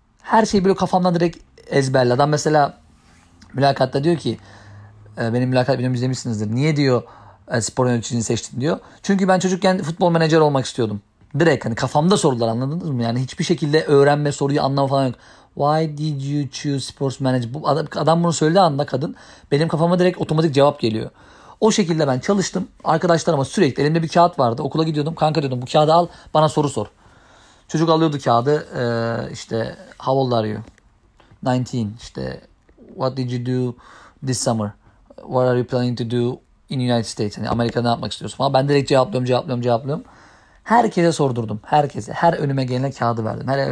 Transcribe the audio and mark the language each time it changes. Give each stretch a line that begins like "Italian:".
Turkish: Her şeyi böyle kafamdan direkt ezberledim. Adam mesela mülakatta diyor ki, benim mülakat videomu izlemişsinizdir. Niye diyor spor yöneticini seçtin diyor. Çünkü ben çocukken futbol menajer olmak istiyordum. Direkt hani kafamda sorular, anladınız mı? Yani hiçbir şekilde öğrenme, soruyu anlama falan yok.
English: Why did you choose sports manager?
Turkish: Adam bunu söylediği anda kadın benim kafama direkt otomatik cevap geliyor. O şekilde ben çalıştım. Arkadaşlarıma sürekli elimde bir kağıt vardı. Okula gidiyordum. Kanka diyordum, bu kağıdı al, bana soru sor. Çocuk alıyordu kağıdı. İşte
English: how old are you?
Turkish: 19. İşte
English: what did you do this summer? What are you planning to do in United States?
Turkish: Yani Amerika'da ne yapmak istiyorsun falan. Ben direkt cevaplıyorum. Herkese sordurdum. Herkese. Her önüme gelene kağıdı verdim.